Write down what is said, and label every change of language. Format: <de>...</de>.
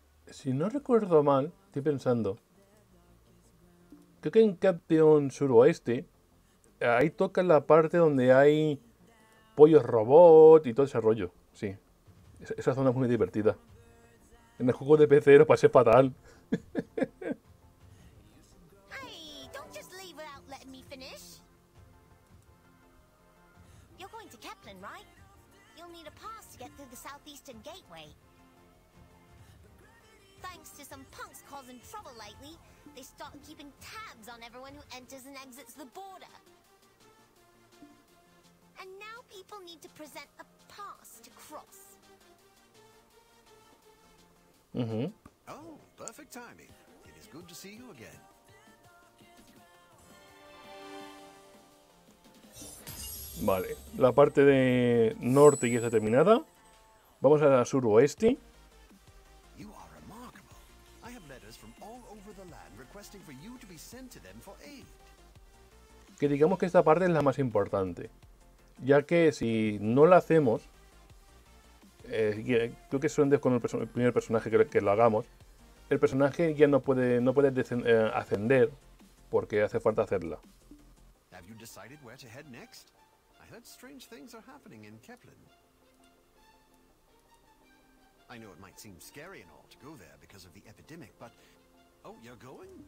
<es>Si no recuerdo mal, estoy pensando. Creo que en Campion Suroeste ahí toca la parte donde hay pollos robot y todo ese rollo. Sí. Esa zona es muy divertida. En el juego de PC lo pasé fatal.</es> <en>Hey, don't just leave without letting me finish. You're going to Kepler, right? You'll need a pass to get through the southeastern gateway. Thanks to some punks causing trouble lately, they start keeping tabs on everyone who enters and exits the border. And now people need to present a pass to cross. Mm-hmm. Oh, perfect timing. It is good to see you again.</en> <es>Vale, la parte de norte ya está terminada. Vamos a la suroeste.</es> <en>You are remarkable. I have letters from all over the land requesting for you to be sent to them for aid.</en> <es>Que digamos que esta parte es la más importante, ya que si no la hacemos, creo que suende con el primer personaje que lo hagamos. El personaje ya no puede ascender porque hace falta hacerla.</es> <en>Have you decided where to head next? I heard strange things are happening in Kepler. I know it might seem scary and all to go there because of the epidemic, but oh, you're going?</en>